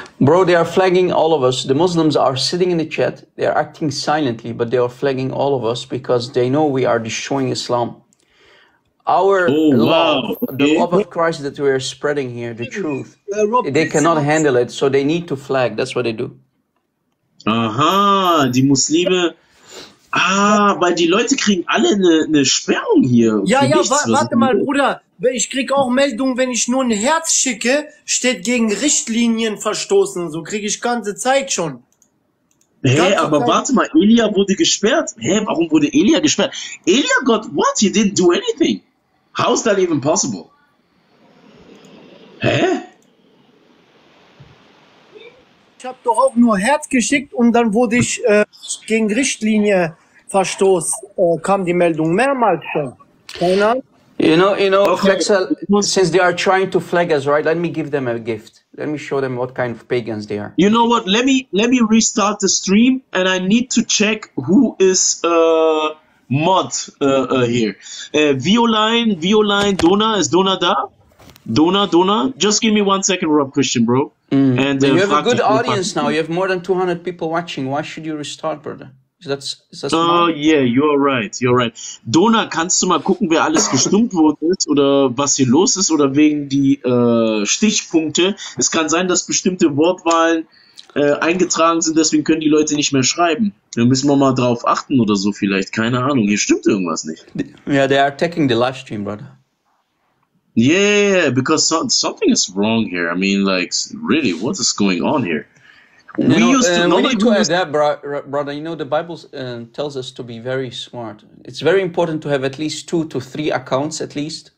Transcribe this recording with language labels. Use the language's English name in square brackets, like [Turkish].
[English] Bro, they are flagging all of us. The Muslims are sitting in the chat. They are acting silently, but they are flagging all of us because they know we are destroying Islam. Our the love of Christ that we are spreading here, the truth, they cannot handle it, so they need to flag. That's what they do. [German] Aha, die Muslime. Weil die Leute kriegen alle eine Sperrung hier. Ja, ja, warte mal, Bruder. Ich krieg auch Meldungen, wenn ich nur ein Herz schicke, steht gegen Richtlinien verstoßen. So kriege ich ganze Zeit schon. Warte mal, Elia wurde gesperrt. Warum wurde Elia gesperrt? [English] Elia got what? He didn't do anything. How is that even possible? [German] Ich habe doch auch nur Herz geschickt und dann wurde ich gegen Richtlinie verstoßen. Kam die Meldung mehrmals schon. Keiner? [English] You know, okay. Flexel, since they are trying to flag us, right? Let me give them a gift. Let me show them what kind of pagans they are. You know what? Let me restart the stream and I need to check who is mod here. Violine, Dona, is Dona da? Dona, just give me 1 second, Rob Christian, bro. And you have a good audience now. You have more than 200 people watching. Why should you restart, brother? Is that smart? Yeah, you're right. [German] Dona, kannst du mal gucken, wer alles gestummt wurde oder was hier los ist oder wegen die Stichpunkte? Es kann sein, dass bestimmte Wortwahlen eingetragen sind, deswegen können die Leute nicht mehr schreiben. Da müssen wir mal drauf achten oder so vielleicht. Keine Ahnung, hier stimmt irgendwas nicht. [English] Yeah, they are attacking the live stream, brother. Yeah, because something is wrong here. I mean, like, really, what is going on here? We need to adapt, brother. You know, the Bible tells us to be very smart. It's very important to have at least 2 to 3 accounts, at least.